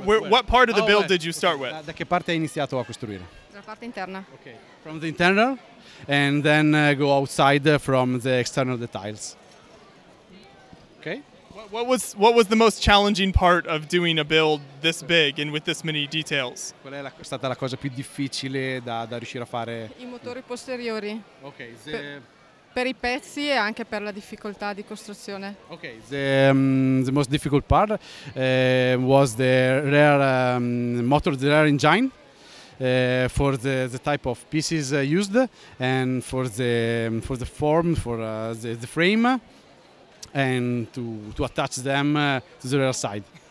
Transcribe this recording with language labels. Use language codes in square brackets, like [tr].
[en] What part of the build did you start with? [it] Da che parte hai iniziato a costruire? Dalla parte interna. [en] Okay. From the internal, and then go outside from the external details. Okay. What was the most challenging part of doing a build this big and with this many details? [it] Qual è stata la cosa più difficile da riuscire a fare? I motori posteriori. [en] Okay. [it] Per I pezzi e anche per la difficoltà di costruzione. [en] Okay. The most difficult part was the rear motor, the rear engine, for the type of pieces used and for the form, for the frame. And to attach them to the other side.